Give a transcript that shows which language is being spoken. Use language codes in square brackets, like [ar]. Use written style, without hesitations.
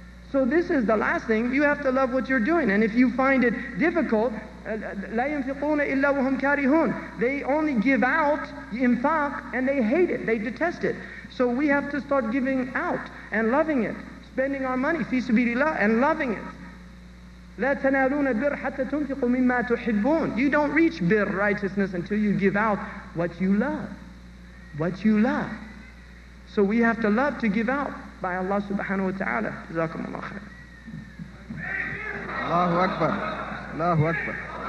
[en] So this is the last thing. You have to love what you're doing. And if you find it difficult, [ar] لا ينفقون إلا وهم كارهون. [en] They only give out infaq and they hate it, they detest it. So we have to start giving out and loving it, spending our money [ar] في سبيل الله [en] and loving it. [ar] لا تنالون البر حتى تنفقوا مما تحبون. [en] You don't reach bir, righteousness, until you give out what you love, what you love. So we have to love to give out by Allah subhanahu wa ta'ala. [ar] جزاكم الله خير. الله أكبر. الله أكبر.